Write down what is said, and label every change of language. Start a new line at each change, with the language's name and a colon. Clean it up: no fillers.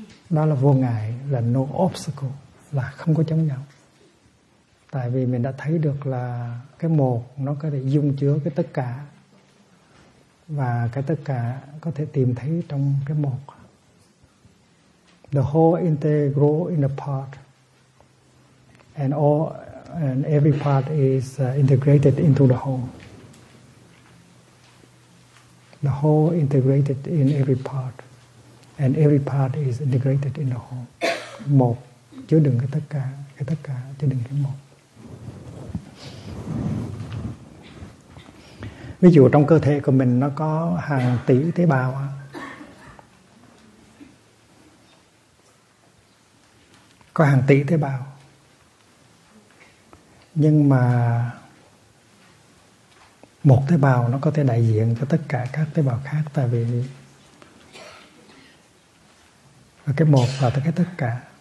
Vietnamese: Đó là vô ngại, là
English: no obstacle,
Vietnamese: là không có chống nhau. Tại vì mình đã thấy được là cái một nó có thể dung chứa cái tất cả, và cái tất cả có thể tìm thấy trong cái một.
English: The whole integral in the part, and all and every part is integrated into the whole. The whole integrated in every part, and every part is integrated in the whole.
Vietnamese: Một chứa đựng cái tất cả chứa đựng cái một. Ví dụ trong cơ thể của mình nó có hàng tỷ tế bào, có hàng tỷ tế bào, nhưng mà một tế bào nó có thể đại diện cho tất cả các tế bào khác, tại vì cái một là cái tất cả.